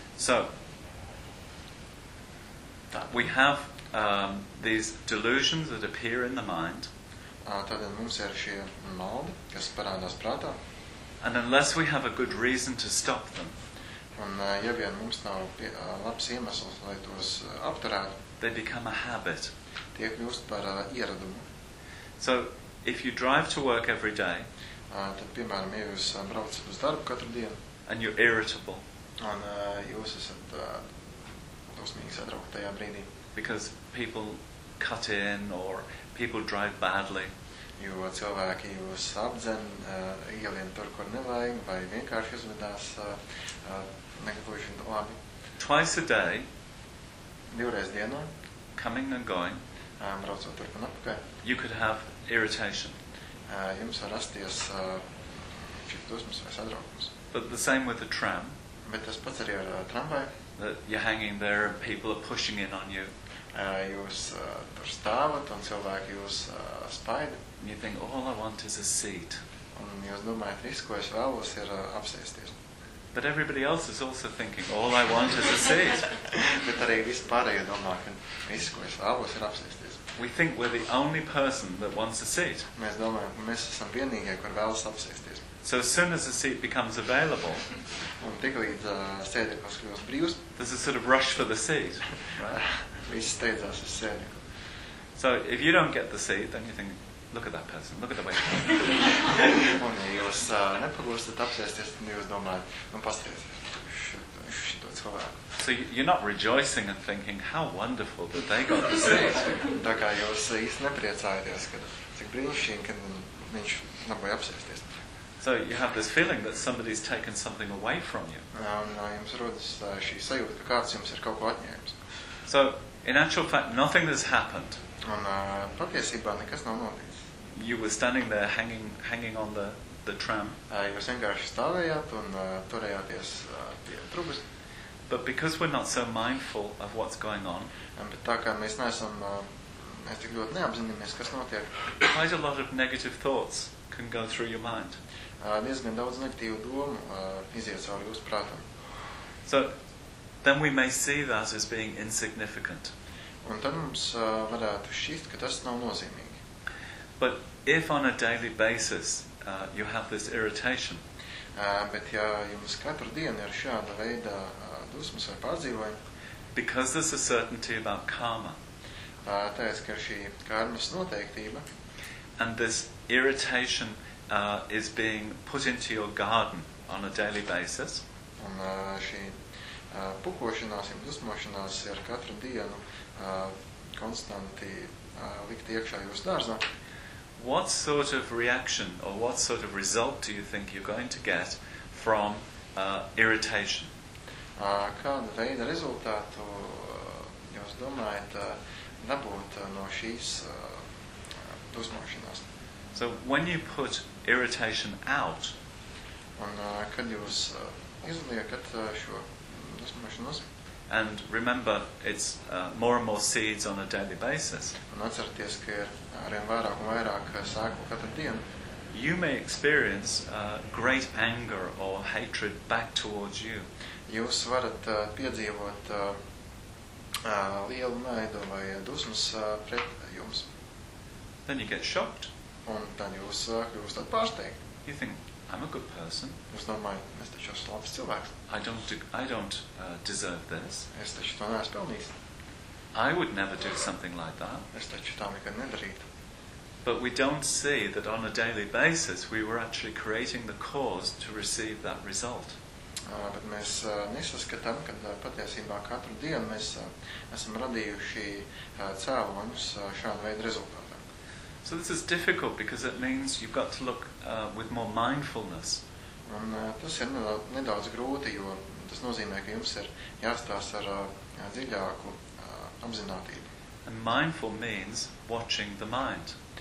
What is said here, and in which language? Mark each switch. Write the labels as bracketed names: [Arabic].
[English] So, we have these delusions that appear in the mind. [Latvian] Tātad mums ir šie maldi, kas parādās prātā. [English] And unless we have a good reason to stop them. [Latvian] Un ja vien mums nav labs iemesls, lai tos apturētu. [English] They become a habit. [Latvian] Tie kļūst par ieradumu. [English] So, if you drive to work every day. [Latvian] Tad, piemēram, ja jūs braucat uz darbu katru dienu. [English] And you're irritable. [Latvian] Un jūs esat dusmīgi sadraukti tajā brīdī. [English] Because people cut in or people drive badly. [Latvian] jo cilvēki jūs apdzen, ielien tur, kur nevajag, vai vienkārši uzvedās negatavojuši labi. [English] Twice a day, [Latvian] divreiz dienā, [English] coming and going, [Latvian] braucot tur un apkārt, [English] you could have irritation. [Latvian] Jums var rasties šī dusmas vai sadraukums. [English] But the same with the tram. [Latvian] Bet tas pats arī ar tramvai. [English] You're hanging there and people are pushing in on you. [Latvian] Jūs tur stāvat un cilvēki jūs spaida. [English] You think, all I want is a seat. [Latvian] Un jūs domājat, viss, ko es vēlos, ir apsēsties. [English] But everybody else is also thinking, all I want is a seat. [Latvian] Bet arī viss pārējie domā, ka viss, ko es vēlos, ir apsēsties. [English] We think we're the only person that wants a seat. [Latvian] Mēs domājam, ka mēs esam vienīgie, kur vēlas apsēsties. [English] So as soon as the seat becomes available, [Latvian] un tiklīdz sēdeklis kļūst brīvs, [English] there's a sort of rush for the seat. [Latvian] Viss steidzās uz sēdekli. [English] So if you don't get the seat, then you think, look at that person, look at the way. [Latvian] Un ja jūs nepagūstat apsēsties, tad jūs domājat, nu pasēsties. Šito cilvēku. [English] So you're not rejoicing and thinking, how wonderful that they got the seat. [Latvian] Tā kā jūs īsti nepriecājaties, ka cik brīnišķīgi, ka viņš nevar apsēsties. [English] So you have this feeling that somebody's taken something away from you. [Latvian] Jums rodas šī sajūta, ka kāds jums ir kaut ko atņēmis. [English] So in actual fact, nothing has happened. [Latvian] Un patiesībā nekas nav noticis. [English] You were standing there hanging on the tram. [Latvian] Jūs vienkārši stāvējāt un turējāties pie trubas. [English] But because we're not so mindful of what's going on, [Latvian] bet tā kā mēs neesam, mēs tik ļoti neapzināmies, kas notiek. [English] Quite a lot of negative thoughts can go through your mind. [Latvian] Diezgan daudz negatīvu domu iziet cauri jūsu prātam. [English] So, then we may see that as being insignificant. [Latvian] Un tad mums varētu šķist, ka tas nav nozīmīgi. [English] But if on a daily basis you have this irritation, [Latvian] bet ja jums katru dienu ir šāda veida dusmas vai pārdzīvojumi, [English] because there's a certainty about karma, [Latvian] tāpēc, ka šī karmas noteiktība, [English] and this irritation is being put into your garden on a daily basis. [Latvian] Un šī pukošanās, dusmošanās ir katru dienu konstanti likt iekšā jūsu dārzā. [English] What sort of reaction or what sort of result do you think you're going to get from irritation? [Latvian] Kāda veida rezultātu jūs domājat dabūt no šīs dusmošanās? [English] So when you put irritation out, [Latvian] un kad jūs izliekat šo dusmošanos, [English] and remember it's more and more seeds on a daily basis, [Latvian] un atcerieties, ka ir arvien vairāk un vairāk sēklu katru dienu, [English] you may experience great anger or hatred back towards you. [Latvian] Jūs varat piedzīvot lielu naidu vai dusmas pret jums. [English] Then you get shocked. [Latvian] Un tad jūs kļūstat pārsteigt. [English] You think, I'm a good person. [Latvian] Jūs domājat, es taču esmu labs cilvēks. [English] I don't deserve this. [Latvian] Es taču to neesmu pelnījis. [English] I would never do something like that. [Latvian] Es taču tā nekad nedarītu. [English] But we don't see that on a daily basis we were actually creating the cause to receive that result. [Latvian] Bet mēs nesaskatām, ka patiesībā katru dienu mēs esam radījuši cēloņus šādu veidu rezultātu. [English] So this is difficult because it means you've got to look with more mindfulness. [Latvian] Un tas ir nedaudz grūti, jo tas nozīmē, ka jums ir jāstās ar dziļāku apzinātību. [English] And mindful means watching the mind.